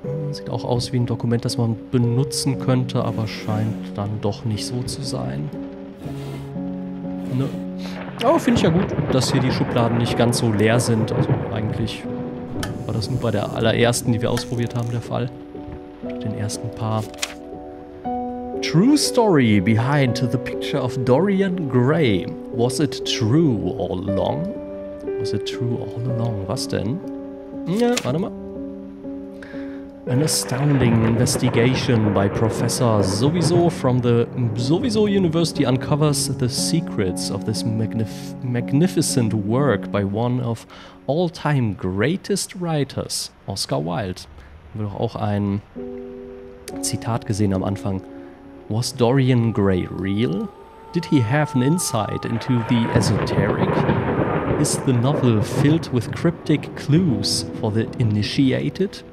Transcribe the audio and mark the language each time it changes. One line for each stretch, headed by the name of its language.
German: Sieht auch aus wie ein Dokument, das man benutzen könnte, aber scheint dann doch nicht so zu sein. Ne. Aber finde ich ja gut, dass hier die Schubladen nicht ganz so leer sind. Also eigentlich war das nur bei der allerersten, die wir ausprobiert haben, der Fall. Den ersten paar.
English: True story behind the picture of Dorian Gray. Was it true all along? Was it true all along?
German: Was denn? Ja, warte mal.
English: An astounding investigation by Professor Sowieso from the Sowieso University uncovers the secrets of this magnificent work by one of all-time greatest writers, Oscar Wilde.
German: Haben wir doch auch ein Zitat gesehen am Anfang.
English: Was Dorian Gray real? Did he have an insight into the esoteric? Is the novel filled with cryptic clues for the initiated?